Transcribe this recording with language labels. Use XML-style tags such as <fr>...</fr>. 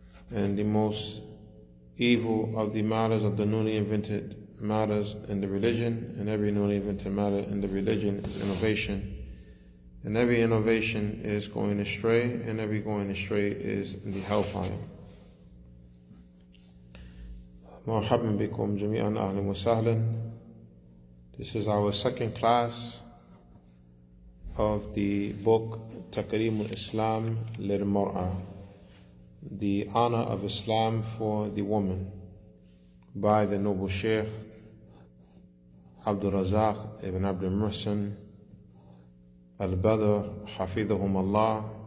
<en>And the most evil of the matters of the newly invented matters in the religion, and every newly invented matter in the religion is innovation. And every innovation is going astray, and every going astray is in the hellfire.</en> <ar>مرحبا بكم جميعا أهلا وسهلا.</ar> <en>This is our second class of the book تكريم الإسلام للمرأة, The Honor of Islam for the Woman, by the noble Sheikh عبد الرزاق ابن عبد المحسن البدر حفظهم الله.</en>